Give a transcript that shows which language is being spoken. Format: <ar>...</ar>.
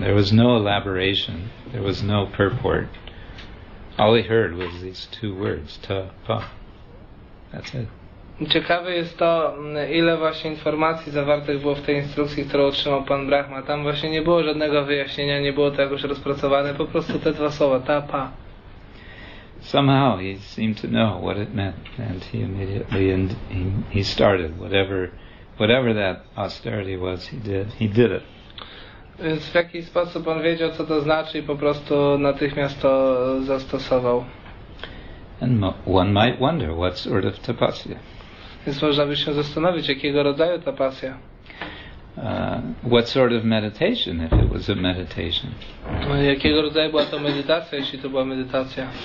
<en>There was no elaboration, there was no purport. All he heard was these two words, ta-pa. That's it.</en> <pl>Ciekawe jest to, ile właśnie informacji zawartych było w tej instrukcji, którą otrzymał pan Brahma. Tam właśnie nie było żadnego wyjaśnienia, nie było to jakoś rozpracowane, po prostu te dwa słowa, ta-pa.</pl> <en>Somehow he seemed to know what it meant, and he immediately he started whatever that austerity was. He did it.</en> <pl>Więc w jakiś sposób on wiedział, co to znaczy, i po prostu natychmiast to zastosował.</pl> <en>And one might wonder what sort of tapasya.</en> <pl>Więc można by się zastanowić, jakiego rodzaju tapasya.</pl> <en>What sort of meditation, if it was a meditation?</en> <pl>Jakiego rodzaju była to medytacja, jeśli to była medytacja?</pl>